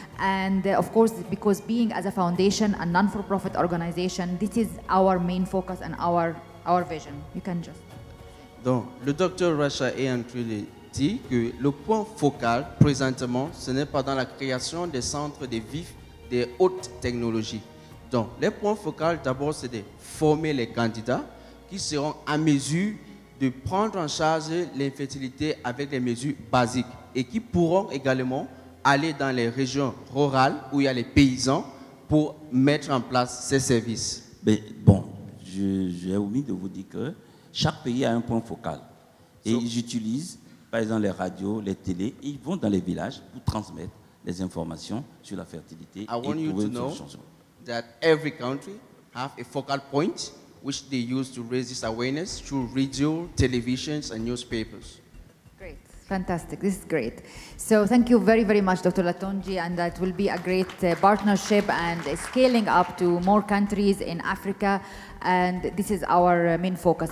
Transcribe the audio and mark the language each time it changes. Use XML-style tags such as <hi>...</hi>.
<en>And of course, because being as a foundation, a non-for-profit organization, this is our main focus and our vision. You can just...</en> <fr>Donc, le docteur Rasha a entendu dire que le point focal, présentement, ce n'est pas dans la création des centres de vie des hautes technologies. Donc, le point focal, d'abord, c'est de former les candidats qui seront à mesure de prendre en charge l'infertilité avec des mesures basiques et qui pourront également aller dans les régions rurales où il y a les paysans pour mettre en place ces services. Mais bon, j'ai omis de vous dire que chaque pays a un point focal et ils utilisent, par exemple, les radios, les télés, et ils vont dans les villages pour transmettre les informations sur la fertilité et trouver une solution.</fr> <en>I want you to know that every country have a focal point which they use to raise this awareness through radio, televisions, and newspapers. Great, fantastic, this is great. So thank you very, very much, Dr. Latonji, and that will be a great partnership and scaling up to more countries in Africa, and this is our main focus.</en>